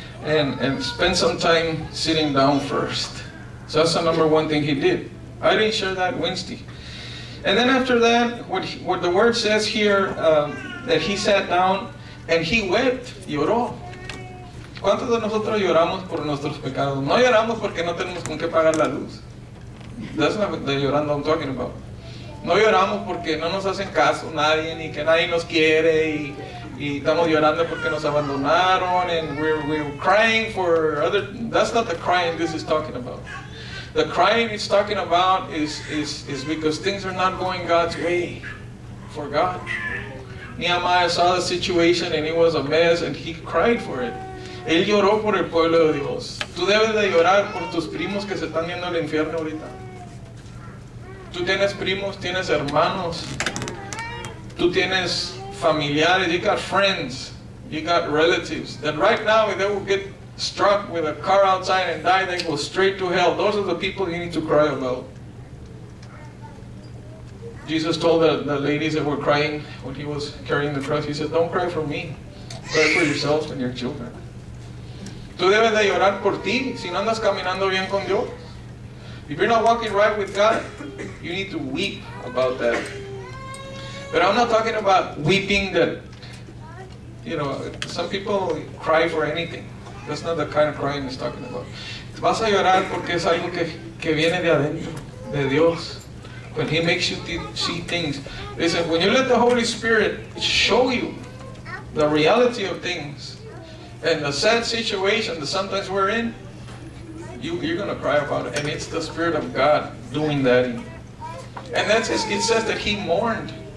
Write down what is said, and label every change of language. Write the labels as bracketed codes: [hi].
[en] And spend some time sitting down first. So that's the number one thing he did. I didn't share that Wednesday. And then after that, what the word says here, that he sat down and he wept, [es] lloró. ¿Cuántos de nosotros lloramos por nuestros pecados? No lloramos porque no tenemos con qué pagar la luz. [en] That's not the llorando I'm talking about. [es] No lloramos porque no nos hacen caso nadie, ni que nadie nos quiere, y estamos llorando porque nos abandonaron, [en] and we're crying for other... That's not the crying this is talking about. The crying it's talking about is because things are not going God's way for God. Nehemiah saw the situation and it was a mess and he cried for it. [es] Él lloró por el pueblo de Dios. Tú debes de llorar por tus primos que se están yendo al infierno ahorita. Tú tienes primos, tienes hermanos. Tú tienes familiares, [en] you got friends, you got relatives, that right now if they will get struck with a car outside and die, they go straight to hell. Those are the people you need to cry about. Jesus told the ladies that were crying when he was carrying the cross, he said, don't cry for me, cry for yourself and your children. [es] Tú debes de llorar por ti, si no andas caminando bien con Dios. [en] If you're not walking right with God, you need to weep about that. But I'm not talking about weeping that, you know, some people cry for anything. That's not the kind of crying he's talking about. [es] Vas a llorar porque es algo que viene de adentro, de Dios. [en] When he makes you see things. Listen, when you let the Holy Spirit show you the reality of things and the sad situation that sometimes we're in, you're going to cry about it. And it's the Spirit of God doing that. And that's his, it says that he mourned.